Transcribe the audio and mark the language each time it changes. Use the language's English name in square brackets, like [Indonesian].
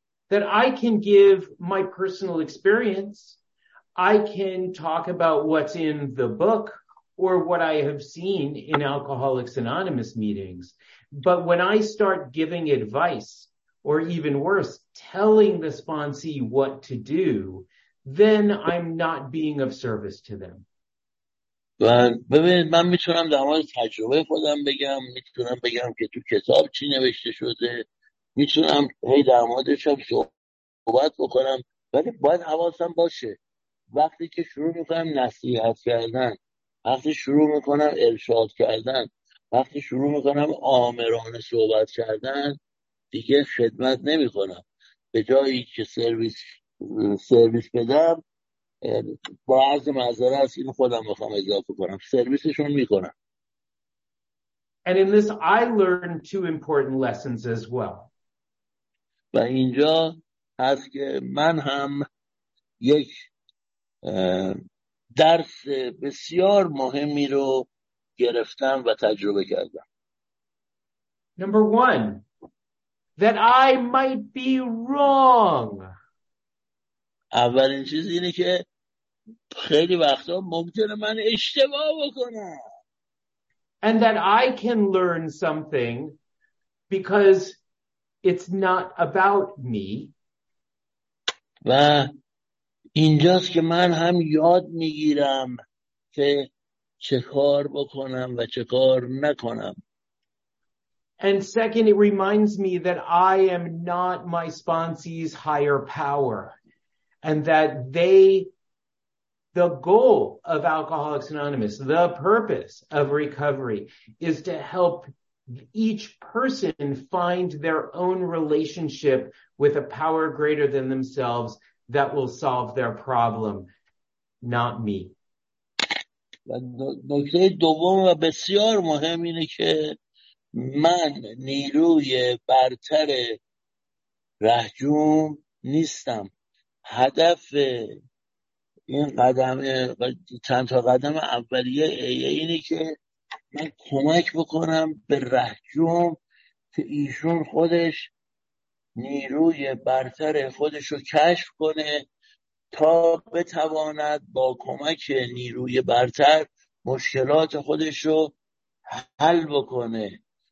[English] That I can give my personal experience, I can talk about what's in the book or what I have seen in Alcoholics Anonymous meetings. But when I start giving advice, or even worse, telling the sponsee what to do, then I'm not being of service to them. [Persian] ببینید، من میتونم در مورد تجربه خودم بگم، میتونم بگم که تو کتاب چی نوشته شده، میتونم هی در موردش هم صحبت بکنم، ولی باید حواسم باشه وقتی که شروع میکنم نصیحت کردن، وقتی شروع میکنم ارشاد کردن، وقتی شروع میکنم آمرانه صحبت کردن، دیگه خدمت نمیکنم. به جایی که سرویس بدم، با عرض معذرت اینو خودم میخوام اضافه کنم، سرویسشون میکنم. [English] And in this I learned two important lessons as well. [Persian] و اینجا هست که من هم یک درس بسیار مهمی رو گرفتم و تجربه کردم. [English] Number one, that I might be wrong. [Persian] اولین چیز اینه که خیلی وقتا ممکنه من اشتباه بکنم. [English] And that I can learn something because it's not about me. [Persian] و اینجاست که من هم یاد میگیرم که چه کار بکنم و چه کار نکنم. [English] And second, it reminds me that I am not my sponsee's higher power, and that the goal of Alcoholics Anonymous, the purpose of recovery, is to help each person find their own relationship with a power greater than themselves that will solve their problem, not me. [Persian] نکته دوم و بسیار مهم اینه که من نیروی برتر رهجوم نیستم. هدف این قدم، چند تا قدم اولیه اینه که من کمک بکنم به رهجوم که ایشون خودش نیروی برتر خودش رو کشف کنه تا بتواند با کمک نیروی برتر مشکلات خودش رو حل بکنه.